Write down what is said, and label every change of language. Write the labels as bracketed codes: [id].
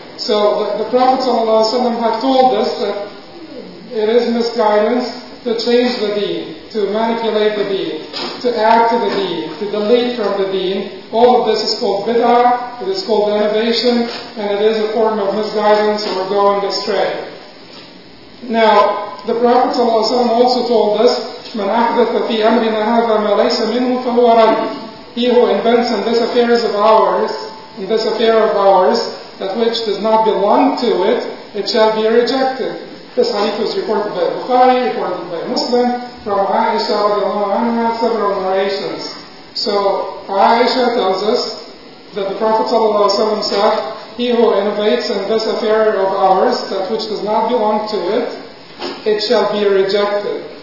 [en] So the Prophet ﷺ had told us that it is misguidance to change the deen, to manipulate the deen, to add to the deen, to delete from the deen. All of this is called bid'ah, it is called innovation, and it is a form of misguidance or going astray. Now, the Prophet ﷺ also told us, [ar] مَنْ أَحْدَثَ فِي أَمْرِنَا هَذَا مَا لَيْسَ مِنْهُ فَهُوَ رَدٌّ. [en] He who invents in this affairs of ours, in this affair of ours, that which does not belong to it, it shall be rejected. This hadith was reported by Bukhari, reported by Muslim, from Aisha radiallahu anha, several narrations. So Aisha tells us that the Prophet ﷺ said, he who innovates in this affair of ours, that which does not belong to it, it shall be rejected.